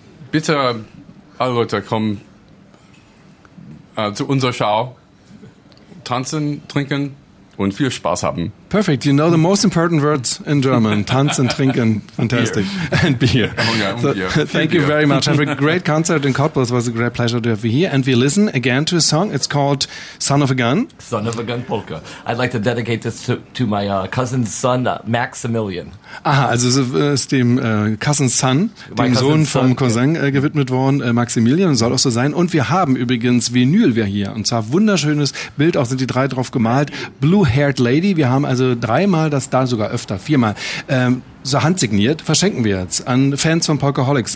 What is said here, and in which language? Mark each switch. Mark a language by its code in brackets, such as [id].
[de] Bitte alle Leute kommen zu unserer Show, tanzen, trinken und viel Spaß haben. [en] Perfect. You know the most important words in German. [de] Tanzen, trinken. [en] Fantastic. Beer. And beer. Oh, yeah. So, thank you very much. Have a great concert in Cottbus. It was a great pleasure to have you here. And we listen again to a song. It's called Son of a Gun. Son of a Gun Polka. I'd like to dedicate this to my cousin's son, Maximilian. [de] Aha, also es ist dem [en] cousin's son, [de] dem Sohn vom Cousin, gewidmet worden, Maximilian. Soll auch so sein. Und wir haben übrigens Vinyl wir hier. Und zwar wunderschönes Bild. Auch sind die drei drauf gemalt. Blue-haired Lady. Wir haben also dreimal, das da sogar öfter, viermal, so handsigniert, verschenken wir jetzt an Fans von Polkaholics.